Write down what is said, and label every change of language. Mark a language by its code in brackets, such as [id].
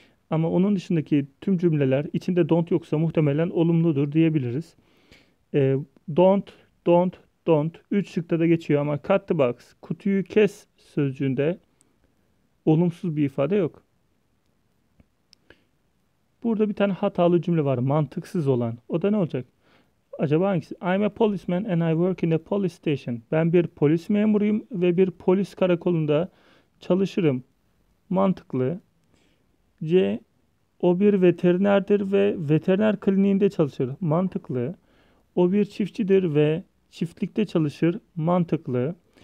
[tr] Ama onun dışındaki tüm cümleler içinde don't yoksa muhtemelen olumludur diyebiliriz. Don't 3 şıkta da geçiyor ama [en] cut the box, [tr] kutuyu kes sözcüğünde olumsuz bir ifade yok. Burada bir tane hatalı cümle var, mantıksız olan. O da ne olacak? Acaba hangisi? [en] I'm a policeman and I work in a police station. [tr] Ben bir polis memuruyum ve bir polis karakolunda çalışırım. Mantıklı. C. O bir veterinerdir ve veteriner kliniğinde çalışır. Mantıklı. O bir çiftçidir ve çiftlikte çalışır. Mantıklı.